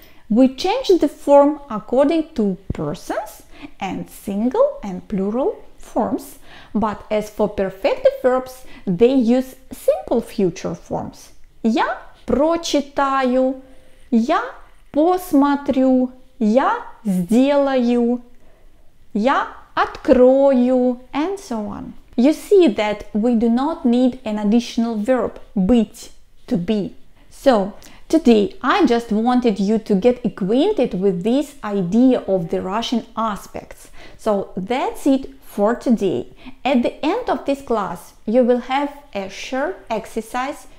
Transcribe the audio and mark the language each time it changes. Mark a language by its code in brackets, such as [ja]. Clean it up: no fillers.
[en] We change the form according to persons and single and plural forms. But as for perfective verbs, they use simple future forms. [ru] Я прочитаю, я посмотрю, я сделаю, я открою, [en] and so on. You see that we do not need an additional verb, быть, to be. So, today I just wanted you to get acquainted with this idea of the Russian aspects. So, that's it for today. At the end of this class, you will have a short exercise.